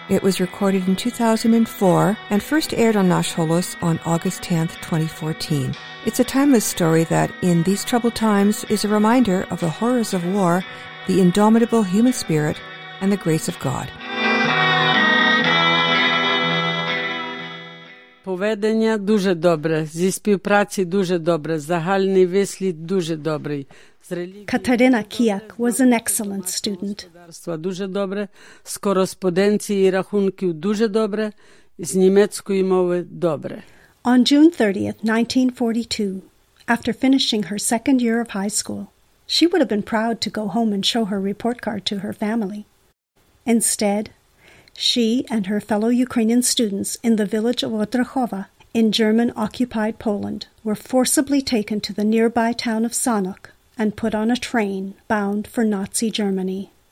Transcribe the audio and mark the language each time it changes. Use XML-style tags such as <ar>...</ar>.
<en>It was recorded in 2004 and first aired on Nasholos on August 10, 2014. It's a timeless story that, in these troubled times, is a reminder of the horrors of war, the indomitable human spirit, and the grace of God.</en> <uk>Поведення дуже добре, зі співпраці дуже добре, загальний вислід дуже добрий.</uk> <en>Катерина Кіяк was an excellent student.</en> <uk>Дуже добре, з кореспонденції і рахунків дуже добре, з німецької мови добре.</uk> <en>On June 30th, 1942, after finishing her second year of high school, she would have been proud to go home and show her report card to her family. Instead, she and her fellow Ukrainian students in the village of Otrachowa in German-occupied Poland were forcibly taken to the nearby town of Sanok and put on a train bound for Nazi Germany.</en>